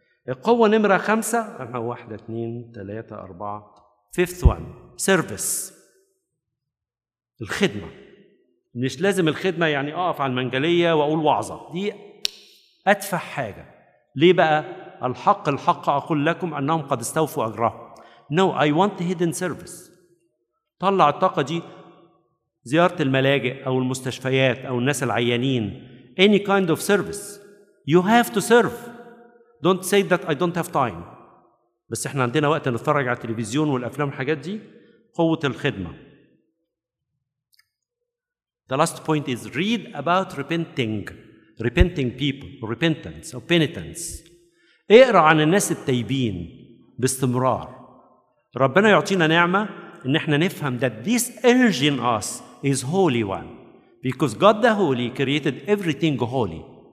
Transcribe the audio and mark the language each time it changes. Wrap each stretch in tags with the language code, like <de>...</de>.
<ar>القوة نمرة خمسة، واحدة اثنين ثلاثة أربعة،</ar> <en>fifth one، service،</en> <ar>الخدمة. مش لازم الخدمة يعني أقف على المنجلية وأقول وعظة، دي أتفح حاجة. ليه بقى؟ الحق الحق أقول لكم أنهم قد استوفوا أجرهم.</ar> <en>No, I want hidden service.</en> <ar>طلع الطاقة دي، زيارة الملاجئ أو المستشفيات أو الناس العيانين.</ar> <en>Any kind of service. You have to serve. Don't say that I don't have time.</en> <ar>بس إحنا عندنا وقت نتفرج على التلفزيون والأفلام والحاجات دي. قوة الخدمة.</ar> <en>The last point is read about repenting. Repenting people, repentance or penitence.</en> <ar>اقرأ عن الناس التايبين باستمرار. ربنا يعطينا نعمة إن إحنا نفهم</ar> <en>that this energy in us is holy one. Because God the Holy created everything holy.</en>